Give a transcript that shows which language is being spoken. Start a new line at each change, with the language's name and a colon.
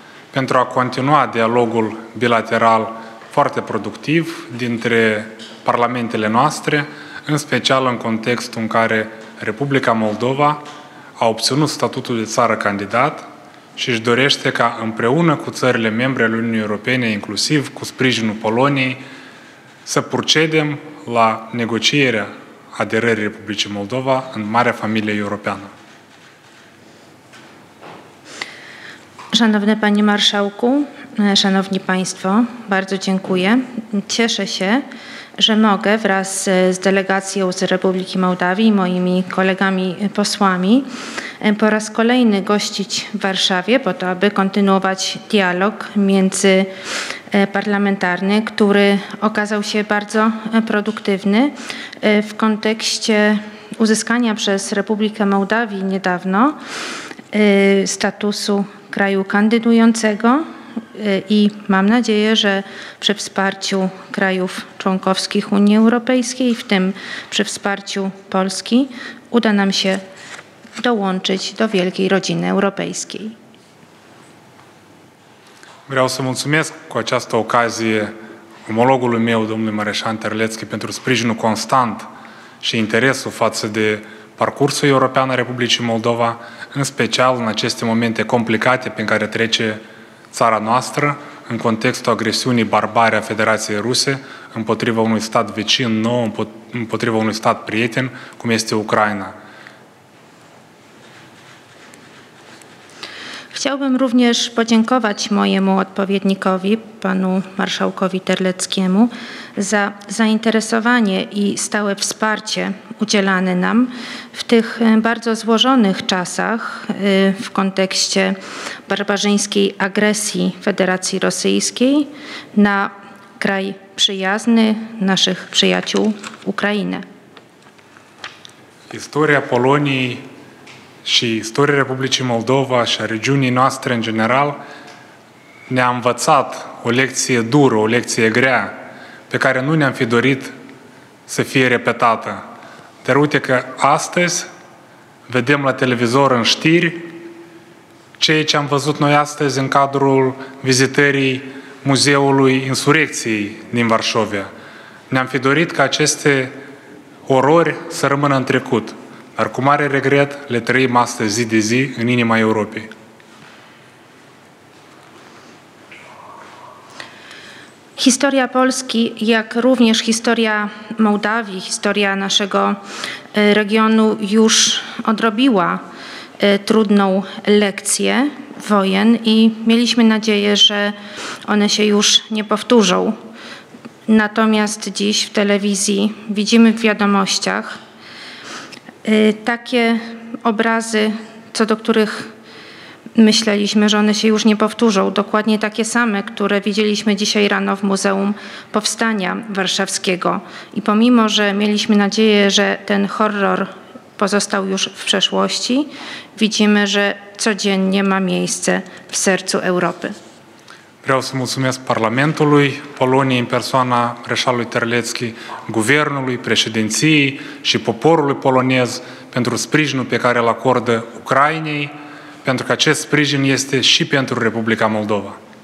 Romanian: pentru a continua dialogul bilateral foarte productiv dintre parlamentele noastre, în special în contextul în care Republica Moldova a obținut statutul de țară candidat și își dorește ca împreună cu țările membre ale Uniunii Europene, inclusiv cu sprijinul Poloniei, să procedem la negocierea aderării Republicii Moldova în Marea Familie Europeană.
Polish: Szanowny Panie Marszałku, Szanowni Państwo, bardzo dziękuję. Cieszę się, że mogę wraz z delegacją z Republiki Mołdawii i moimi kolegami posłami po raz kolejny gościć w Warszawie po to, aby kontynuować dialog międzyparlamentarny, który okazał się bardzo produktywny w kontekście uzyskania przez Republikę Mołdawii niedawno statusu kraju kandydującego i mam nadzieję, że przy wsparciu krajów członkowskich Unii Europejskiej, w tym przy wsparciu Polski, uda nam się dołączyć do wielkiej rodziny europejskiej.
Romanian: Vreau să mulțumesc cu această ocazie omologului meu, domnului Mareșan Terlețchi, pentru sprijinul constant și interesul față de parcursul european al Republicii Moldova, în special în aceste momente complicate prin care trece țara noastră, în contextul agresiunii barbare a Federației Ruse împotriva unui stat vecin nou, împotriva unui stat prieten, cum este Ucraina.
Polish: Chciałbym również podziękować mojemu odpowiednikowi, panu marszałkowi Terleckiemu, za zainteresowanie i stałe wsparcie udzielane nam w tych bardzo złożonych czasach w kontekście barbarzyńskiej agresji Federacji Rosyjskiej na kraj przyjazny naszych przyjaciół Ukrainę.
Romanian: Historia Polonii și istoria Republicii Moldova și a regiunii noastre în general ne-a învățat o lecție dură, o lecție grea, pe care nu ne-am fi dorit să fie repetată. Dar uite că astăzi vedem la televizor în știri ceea ce am văzut noi astăzi în cadrul vizitării Muzeului Insurecției din Varșovia. Ne-am fi dorit ca aceste orori să rămână în trecut. Dar cu mare regret le trăim astăzi zi de zi în inima Europei.
Polish: Historia Polski, jak również historia Mołdawii, historia naszego regionu już odrobiła trudną lekcję wojen i mieliśmy nadzieję, że one się już nie powtórzą. Natomiast dziś w telewizji widzimy w wiadomościach takie obrazy, co do których myśleliśmy, że one się już nie powtórzą. Dokładnie takie same, które widzieliśmy dzisiaj rano w Muzeum Powstania Warszawskiego. I pomimo, że mieliśmy nadzieję, że ten horror pozostał już w przeszłości, widzimy, że codziennie ma miejsce w sercu Europy.
Romanian: Vreau să mulțumesc Parlamentului Poloniei în persoana Mareșalului Terlețchi, Guvernului, Președinției și poporului polonez pentru sprijinul pe care îl acordă Ucrainei, pentru că acest sprijin este și pentru Republica Moldova.